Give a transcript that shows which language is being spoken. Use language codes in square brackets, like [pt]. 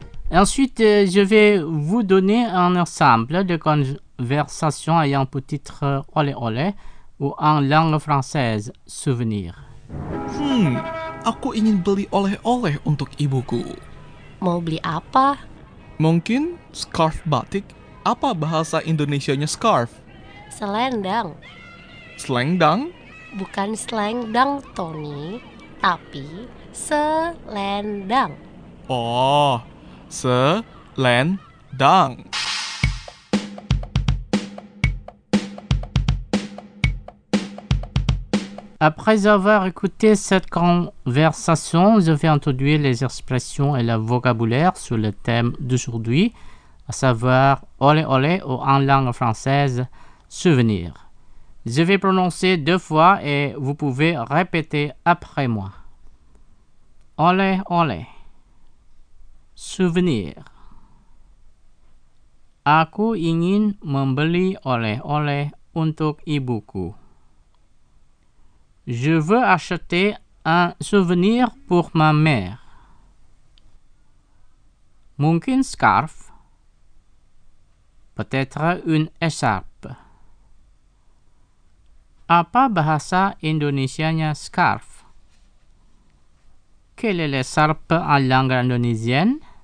[fr] Ensuite, je vais vous donner un exemple de conversation ayant pour titre « Olé Olé » ou en langue française « Souvenir ». [id] Aku ingin beli olé-olé untuk ibuku. Mau beli apa? Mungkin scarf batik. Apa bahasa Indonesianya scarf? Selendang. Selendang? Bukan selendang, Tony. Tapi selendang. Oh, selendang. [fr] Après avoir écouté cette conversation, je vais introduire les expressions et le vocabulaire sur le thème d'aujourd'hui, à savoir olé olé ou en langue française, souvenir. Je vais prononcer deux fois et vous pouvez répéter après moi. [id] Olé olé. Souvenir. Aku ingin membeli oleh-oleh untuk ibuku. [fr] Je veux acheter un souvenir pour ma mère. [id] Mungkin scarf. [fr] Peut-être une écharpe. [id] Apa bahasa Indonesianya scarf? [fr] Quelle est l'écharpe en langue indonésienne?